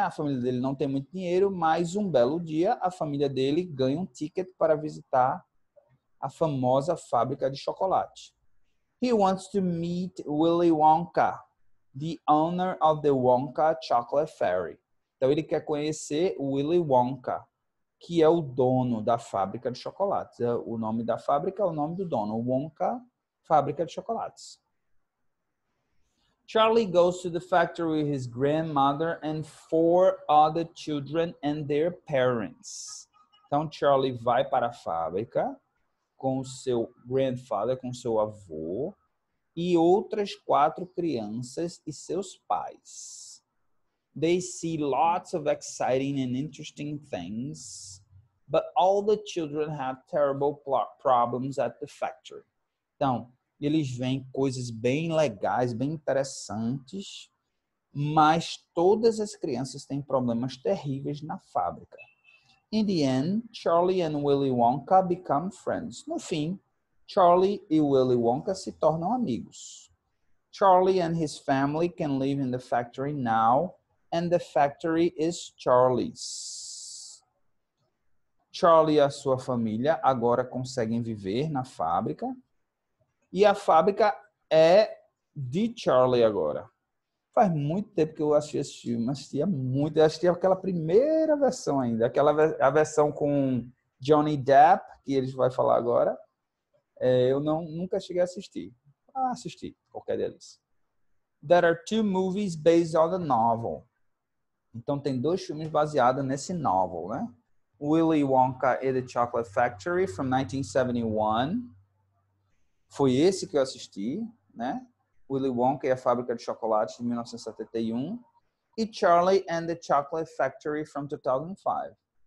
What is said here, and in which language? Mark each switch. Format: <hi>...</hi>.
<pt>A família dele não tem muito dinheiro, mas um belo dia a família dele ganha um ticket para visitar a famosa fábrica de chocolate.</pt> <en>He wants to meet Willy Wonka, the owner of the Wonka Chocolate Factory.</en> <pt>Então ele quer conhecer o Willy Wonka, que é o dono da fábrica de chocolates. O nome da fábrica é o nome do dono, Wonka, fábrica de chocolates.</pt> <en>Charlie goes to the factory with his grandmother and four other children and their parents.</en> <pt>Então, Charlie vai para a fábrica com seu grandfather, com seu avô, e outras quatro crianças e seus pais.</pt> <en>They see lots of exciting and interesting things. But all the children have terrible problems at the factory.</en> <pt>Então, eles veem coisas bem legais, bem interessantes, mas todas as crianças têm problemas terríveis na fábrica.</pt> <en>In the end, Charlie and Willy Wonka become friends.</en> <pt>No fim, Charlie e Willy Wonka se tornam amigos.</pt> <en>Charlie and his family can live in the factory now, and the factory is Charlie's.</en> <pt>Charlie e a sua família agora conseguem viver na fábrica. E a fábrica é de Charlie agora. Faz muito tempo que eu assisti esse filme, assistia muito. Eu assistia aquela primeira versão ainda, a versão com Johnny Depp, que eles vão falar agora. Eu nunca cheguei a assistir. Ah, assisti, qualquer deles.</pt> <en>There are two movies based on the novel.</en> <pt>Então tem dois filmes baseados nesse novel, né?</pt> <en>Willy Wonka and the Chocolate Factory from 1971.</en> <pt>Foi esse que eu assisti, né? Willy Wonka e a Fábrica de Chocolate de 1971.</pt> <en>E Charlie and the Chocolate Factory from 2005.</en>